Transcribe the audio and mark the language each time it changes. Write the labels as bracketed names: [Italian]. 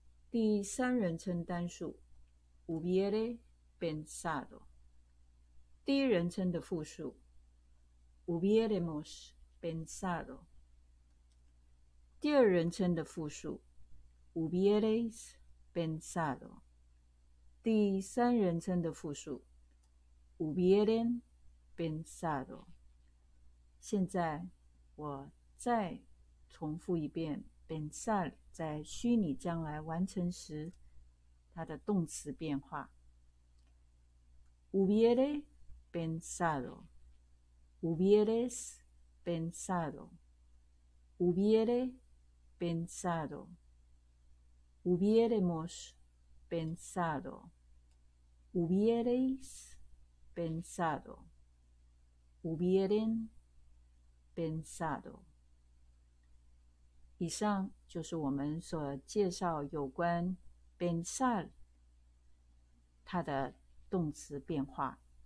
[Chinese] 第三人称单数 [Spanish] hubiere pensado， [Chinese] 第一人称的复数 [Spanish] hubiéramos pensado， [Chinese] 第二人称的复数 [Spanish] hubierais pensado， [Chinese] 第三人称的复数 [Spanish] hubieran pensado。 [Chinese] 现在我再重复一遍 pensar 在虚拟将来完成时它的动词变化 [Spanish] hubiere pensado, hubieres pensado, hubiere pensado, hubiéramos pensado, hubierais pensado, hubieren pensado。 [Chinese] 以上就是我们所介绍有关 pensar 它的动词变化。